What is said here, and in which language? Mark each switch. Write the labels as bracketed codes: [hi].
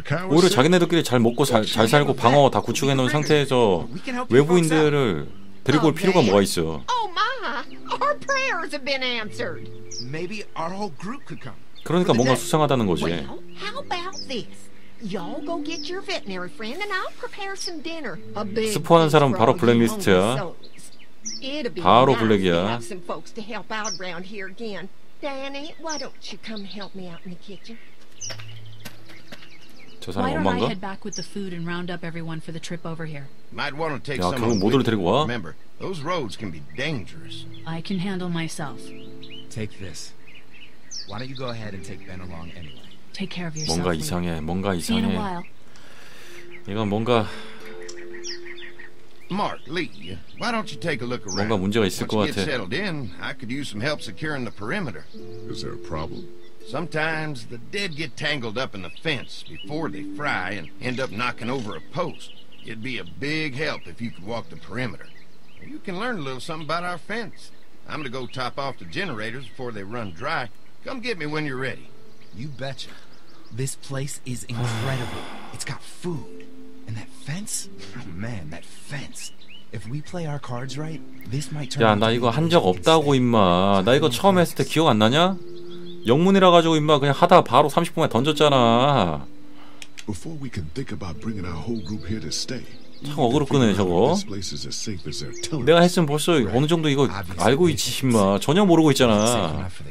[ko] 오히려 자기네들끼리 잘 먹고 잘 살고 방어 다 구축해 놓은 상태에서 외부인들을 데리고 올 필요가 뭐가 있어? [en] Our prayers have been answered. Maybe our whole group could come. [ko] 그러니까 뭔가 수상하다는 거지. [en] How about this? Y'all go get your veterinary friend and I'll prepare some dinner. [ko] 스포하는 사람은 바로 블랙리스트야. 바로 블랙이야. [en] Some folks to help out around here again. Danny, why don't you come help me out in the kitchen? [ko] 저 사람 엄마인가? [en] Head back with the food and round up everyone for the trip over here. Might want to take some. [ko] 야, 그럼 모두를 데리고 와. [en] Those roads can be dangerous. I can handle myself. Take this. Why don't you go ahead and take Ben along anyway? Take care of yourself. [ko] 뭔가 이상해. 뭔가 이상해. 이건 뭔가 [en] Mark Lee, why don't you take a look around? [ko] 뭔가 문제가 있을 것 같아. [en] Settled in, I could use some help securing the perimeter. Is there a problem? Sometimes the dead get tangled up in the fence before they fry and end up knocking over a post. It'd be a big help if you could walk the perimeter. You can learn a little something about our fence. I'm gonna go top off the generators before they run dry. Come get me when you're ready. You betcha. This place is incredible. It's got food. And that fence? Oh man, that fence. If we play our cards right, this might turn. [ko] 야, 나 이거 한 적 없다고 임마. 나 이거 처음 했을 때 기억 안 나냐? 영문이라 가지고 임마 그냥 하다 바로 30분에 던졌잖아. [en] Before we can think about bringing our whole group here to stay. [ko] 참 어그럽구네 저거. 내가 했으면 벌써 어느 정도 이거 알고 있지 임마. 전혀 모르고 있잖아.